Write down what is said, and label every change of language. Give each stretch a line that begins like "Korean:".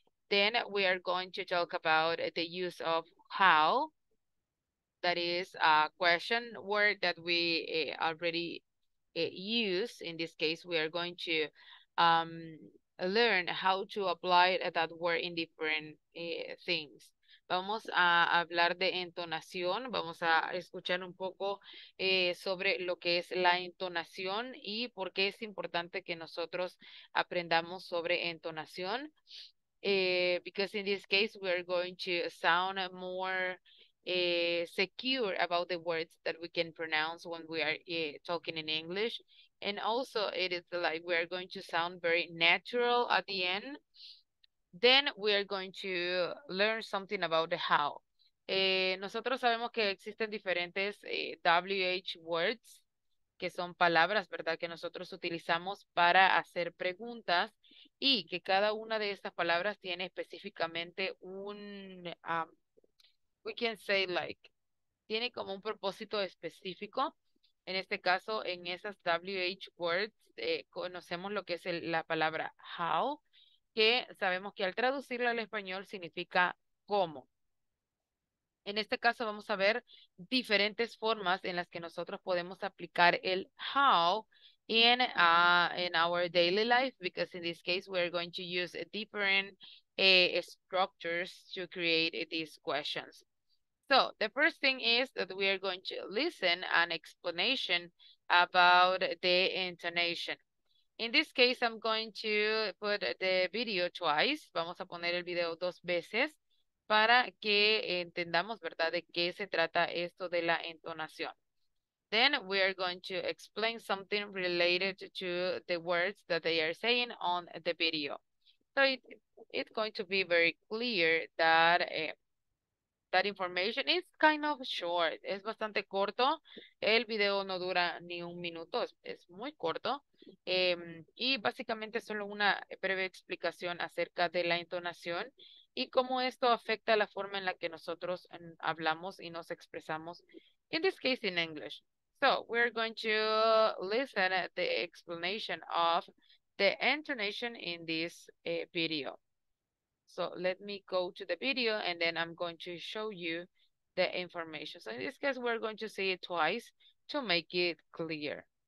English: Then we are going to talk about the use of how. That is a question word that we already use. In this case, we are going to learn how to apply that word in different things.
Spanish: Vamos a hablar de entonación, vamos a escuchar un poco sobre lo que es la entonación y por qué es importante que nosotros aprendamos sobre entonación.
English: Because in this case, we are going to sound more secure about the words that we can pronounce when we are talking in English. And also, it is like we are going to sound very natural at the end. Then we are going to learn something about the how.
Spanish: Nosotros sabemos que existen diferentes WH words, que son palabras, ¿verdad?, que nosotros utilizamos para hacer preguntas, y que cada una de estas palabras tiene específicamente un,
English: we can say like,
Spanish: tiene como un propósito específico. En este caso, en esas WH words, conocemos lo que es la palabra how, que sabemos que al traducirla al español significa cómo. En este caso, vamos a ver diferentes formas en las que nosotros podemos aplicar el
English: how in our daily life, because in this case, we are going to use different structures to create these questions. So, the first thing is that we are going to listen an explanation about the intonation. In this case, I'm going to put the video twice.
Spanish: Vamos a poner el video dos veces para que entendamos, ¿verdad?, de qué se trata esto de la entonación.
English: Then we are going to explain something related to the words that they are saying on the video. So, it's going to be very clear that that information is kind of short.
Spanish: Es bastante corto. El video no dura ni un minuto. Es muy corto. Y básicamente solo una breve explicación acerca de la entonación y cómo esto afecta la forma en la que nosotros hablamos y nos expresamos.
English: In this case, in English. So, we're going to listen to the explanation of the intonation in this video. So let me go to the video and then I'm going to show you the information. So in this case, we're going to see it twice to make it clear.